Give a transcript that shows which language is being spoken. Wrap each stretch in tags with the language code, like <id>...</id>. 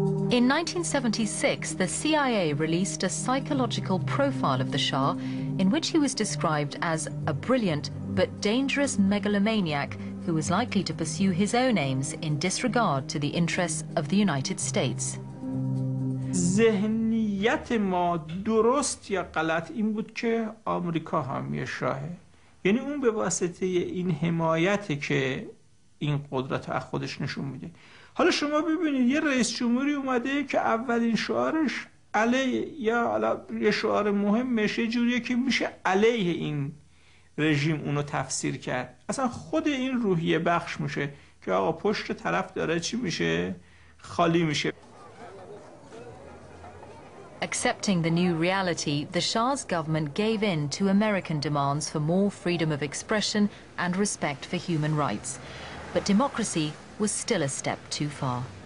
<en>In 1976, the CIA released a psychological profile of the Shah in which he was described as a brilliant but dangerous megalomaniac who was likely to pursue his own aims in disregard to the interests of the United States.</en> <fa>ذهنیت ما درست یا غلط این بود که آمریکا حامی شاهه یعنی اون به واسطه این حمایت که این قدرت از خودش نشون میده حالا شما ببینید یه رئیس جمهوری اومده که اولین شعارش علیه یا یه شعار مهم میشه جوریه که میشه علیه این رژیم اونو تفسیر کرد اصلا خود این روحیه بخش میشه که آقا پشت طرف داره چی میشه خالی میشه</fa> <en>Accepting the new reality, the Shah's government gave in to American demands for more freedom of expression and respect for human rights. But democracy was still a step too far.</en>